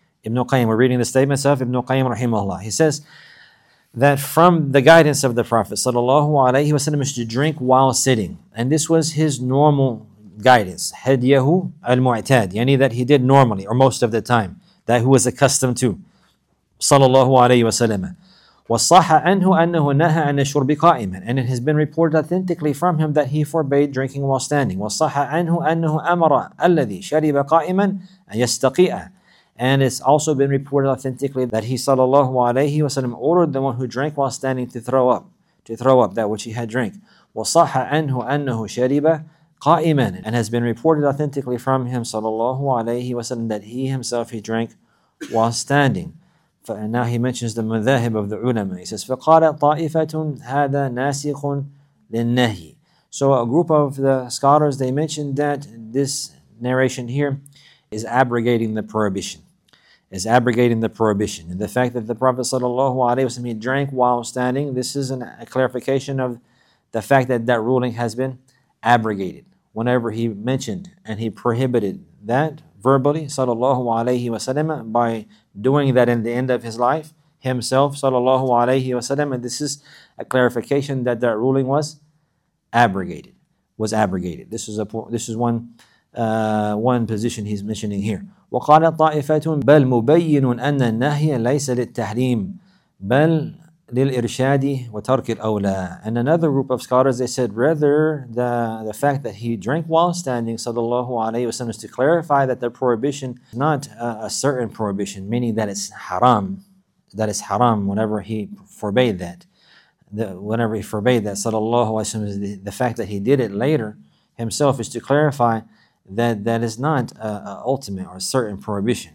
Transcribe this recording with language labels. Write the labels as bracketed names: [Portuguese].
[English] Ibn Qayyim, we're reading the statements of Ibn Qayyim rahimahullah. He says that from the guidance of the Prophet sallallahu alayhi wasallam is to drink while sitting. And this was his normal guidance. [Arabic] Hadyahu al-mu'tad. [English] Yani that he did normally or most of the time. That he was accustomed to. Sallallahu alayhi wasallam. [Arabic] وَصَّحَ أَنْهُ أَنَّهُ نَهَى عَنَ الشُّرْبِ قَائِمًا. [English] And it has been reported authentically from him that he forbade drinking while standing. [Arabic] وَصَّحَ أَنْهُ أَنَّهُ أَمَرَ أَلَّذِي شَرِبَ قَائِمًا أَنْ يَسْتَقِيَ. [English] And it's also been reported authentically that he sallallahu alayhi wa sallam ordered the one who drank while standing to throw up that which he had drank. [Arabic] وَصَحَ أَنْهُ أَنَّهُ شَرِبَ قَائِمًا. [English] And has been reported authentically from him sallallahu alayhi wa sallam that he himself, he drank while standing. And now he mentions the madhahib of the ulama. He says, [Arabic] فَقَالَ طَائِفَةٌ هَذَا نَاسِخٌ لِلنَّهِ. [English] So a group of the scholars, they mentioned that this narration here is abrogating the prohibition. And the fact that the Prophet sallallahu alayhi wasallam, he drank while standing, this is a clarification of the fact that that ruling has been abrogated. Whenever he mentioned and he prohibited that verbally, sallallahu alayhi wa sallam, by doing that in the end of his life, himself, sallallahu alayhi wa sallam, and this is a clarification that that ruling was abrogated. Was abrogated. This is one position he's mentioning here. [Arabic] وقال طائفة بل مبين أن النهي ليس للتحريم بل للإرشاد وترك الأولى. [English] And another group of scholars, they said rather the fact that he drank while standing, sallallahu alayhi wa sallam, is to clarify that the prohibition is not a certain prohibition, meaning that it's haram. That is haram whenever he forbade that. Sallallahu alayhi wa sallam, the fact that he did it later himself is to clarify that that is not an ultimate or a certain prohibition.